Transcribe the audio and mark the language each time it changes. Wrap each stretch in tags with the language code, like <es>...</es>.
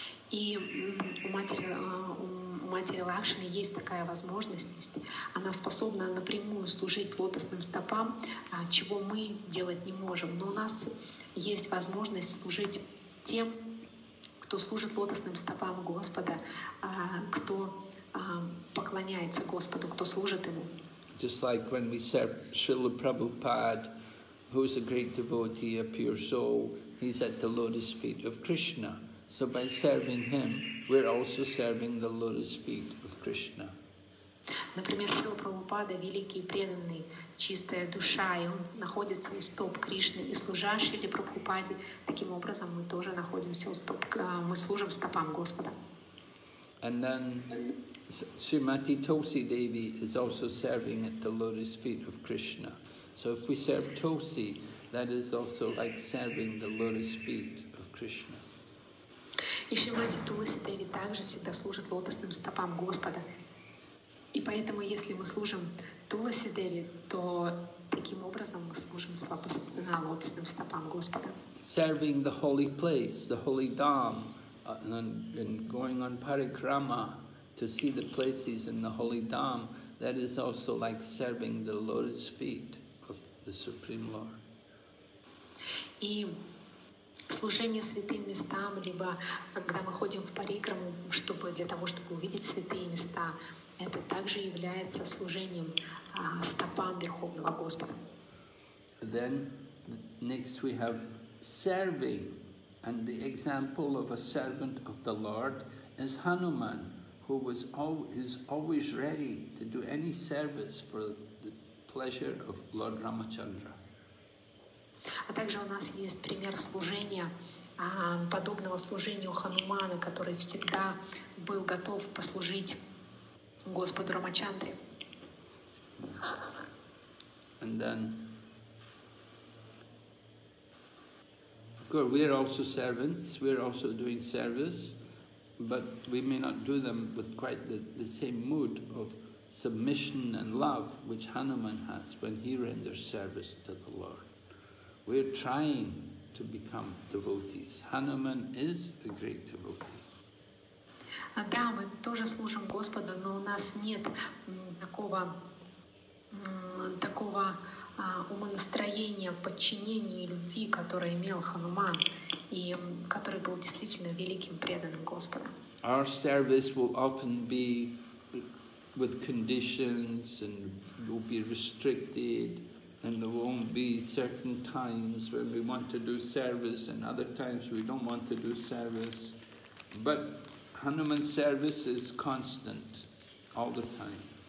<ru>И у матери Лакшми есть такая возможность. Она способна напрямую служить лотосным стопам, чего мы делать не можем. Но у нас есть возможность служить тем, кто служит лотосным стопам Господа, кто поклоняется Господу, кто служит Ему.</ru> <en>Just like when we serve Srila Prabhupada, who is a great devotee, a pure soul, he's at the lotus feet of Krishna. So by serving him, we're also serving the lotus feet of Krishna.</en> <ru>Например, Шрила Прабхупада, великий преданный, чистая душа, и он находится у стоп Кришны, и служа Шриле Прабхупаде, таким образом мы тоже находимся у стоп, мы служим стопам Господа.</ru> <en>And then Srimati Tulsi Devi is also serving at the lotus feet of Krishna. So if we serve Tulsi, that is also like serving the lotus feet of Krishna.</en> <ru>И Шримати Туласи Деви также всегда служит лотосным стопам Господа. И поэтому, если мы служим Туласи Деви, то таким образом мы служим лотосным стопам Господа.</ru> <en>Serving the holy place, the holy dham, and going on parikrama to see the places in the holy dham, that is also like serving the lotus feet of the Supreme Lord.</en> <ru>И служение святым местам, либо когда мы ходим в парикраму, чтобы для того, чтобы увидеть святые места, это также является служением стопам Верховного Господа.</ru> <en>Then next we have serving, and the example of a servant of the Lord is Hanuman, who was always ready to do any service for the pleasure of Lord Ramachandra.</en> <ru>А также у нас есть пример служения, подобного служению Ханумана, который всегда был готов послужить Господу Рамачандре.</ru> <en>And then, of course, we are also servants, we are also doing service, but we may not do them with quite the same mood of submission and love which Hanuman has when he renders service to the Lord. We're trying to become devotees. Hanuman is a great devotee.</en> <ru>Да, мы тоже служим Господу, но у нас нет такого умонастроения, подчинения и любви, которое имел Хануман, и который был действительно великим преданным Господа.</ru> <en>Our service will often be with conditions and will be restricted. And there won't be certain times when we want to do service and other times we don't want to do service. But Hanuman's service is constant all the time.</en>